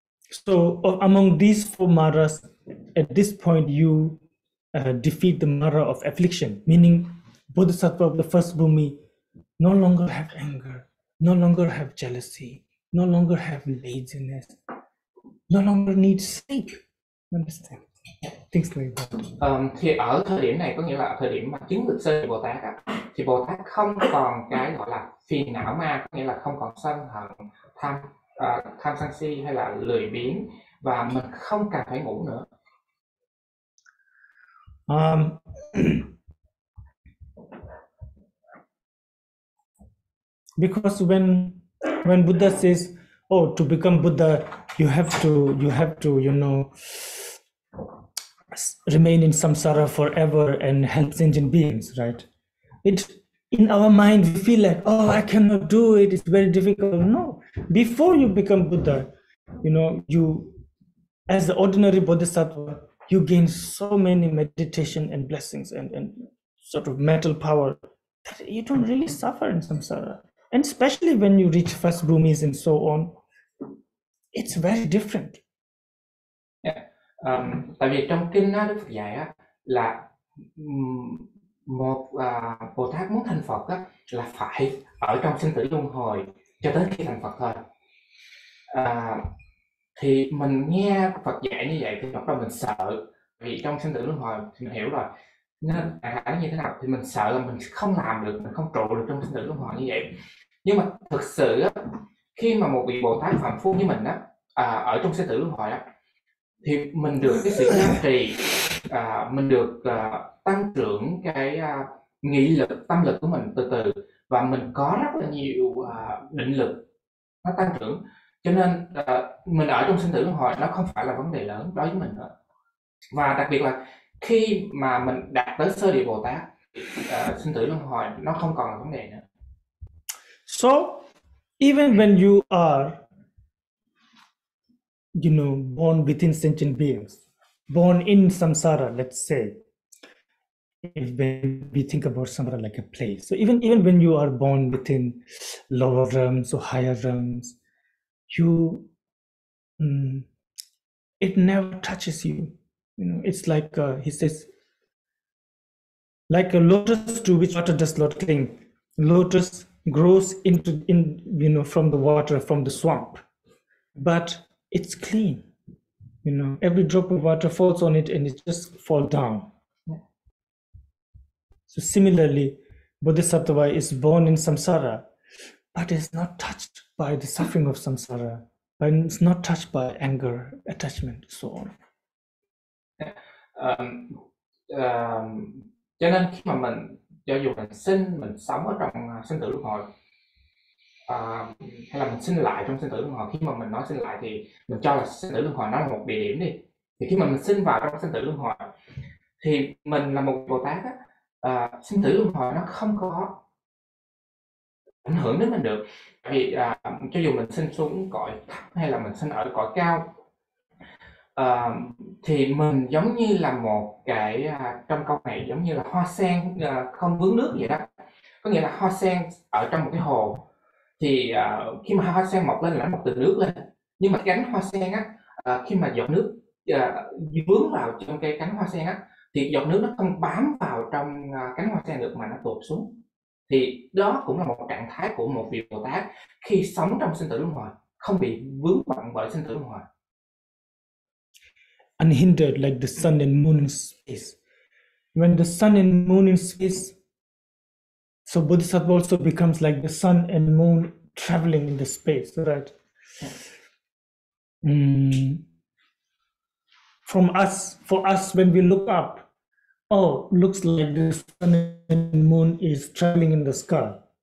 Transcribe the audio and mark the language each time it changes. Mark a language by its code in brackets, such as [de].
[en] So among these four maras, at this point you defeat the mara of affliction, meaning Bodhisattva of the first bhumi no longer have anger, no longer have jealousy, no longer have laziness, no longer need sleep. Understand? Things like that. [vi] Thì ở thời điểm này có nghĩa là thời điểm mà chứng được sơ Bồ Tát á, thì Bồ Tát không còn cái gọi là phiền não ma, có nghĩa là không còn sân hận, tham tham sân si hay là lười biếng, và mình không cần phải ngủ nữa. [en] Because when Buddha says, oh, to become Buddha, you have to, you know, remain in samsara forever and help sentient beings, right? It, in our mind, we feel like, oh, I cannot do it, it's very difficult. No, before you become Buddha, you know, you, as the ordinary Bodhisattva, you gain so many meditation and blessings and sort of mental power that you don't really suffer in samsara. And especially when you reach first bhumis and so on, it's very different. [vi] Tại vì trong kinh đó, Đức Phật dạy á, là một Bồ Tát muốn thành Phật á, là phải ở trong sinh tử luân hồi cho tới khi thành Phật thôi. Thì mình nghe Phật dạy như vậy thì lúc đầu mình sợ, vì trong sinh tử luân hồi thì mình hiểu rồi. Nên là như thế nào thì mình sợ là mình không làm được, mình không trụ được trong sinh tử luân hồi như vậy. Nhưng mà thực sự á, khi mà một vị Bồ Tát phàm phu như mình á, ở trong sinh tử luân hồi á, thì mình được cái sự gia trì, mình được tăng trưởng cái nghị lực, tâm lực của mình từ từ, và mình có rất là nhiều định lực nó tăng trưởng, cho nên mình ở trong sinh tử luân hồi nó không phải là vấn đề lớn đối với mình nữa. Và đặc biệt là khi mà mình đạt tới sơ địa Bồ Tát, sinh tử luân hồi nó không còn là vấn đề nữa. [en] So even when you are, you know, born within sentient beings, born in samsara, let's say, if we think about samsara like a place. So even when you are born within lower realms or higher realms, you, it never touches you. You know, it's like, he says, like a lotus to which water does not cling. Lotus grows into, in, you know, from the water, from the swamp, but it's clean, you know, every drop of water falls on it and it just falls down. So similarly, Bodhisattva is born in samsara, but is not touched by the suffering of samsara, but it's not touched by anger, attachment, so on. [vi] Cho nên khi mà mình, cho dù mình sinh, mình sống ở trong sinh tử luân hồi, hay là mình sinh lại trong sinh tử luân hồi, khi mà mình nói sinh lại thì mình cho là sinh tử luân hồi nó là một địa điểm đi, thì khi mà mình sinh vào trong sinh tử luân hồi thì mình là một Bồ Tát á, sinh tử luân hồi nó không có ảnh hưởng đến mình được. Vì cho dù mình sinh xuống cõi thấp hay là mình sinh ở cõi cao, thì mình giống như là một cái, trong câu này giống như là hoa sen không vướng nước vậy đó. Có nghĩa là hoa sen ở trong một cái hồ, thì khi mà hoa sen mọc lên là nó mọc từ nước lên, nhưng mà cánh hoa sen á, khi mà giọt nước vướng vào trong cái cánh hoa sen á, thì giọt nước nó không bám vào trong cánh hoa sen được mà nó tuột xuống. Thì đó cũng là một trạng thái của một vị Bồ Tát khi sống trong sinh tử luân hồi, không bị vướng bận bởi sinh tử luân hồi. [en] Unhindered like the sun and moon in space. When the sun and moon in space, so Bodhisattva also becomes like the sun and moon traveling in the space, right? From us, for us, when we look up, oh, looks like the sun and moon is traveling in the sky.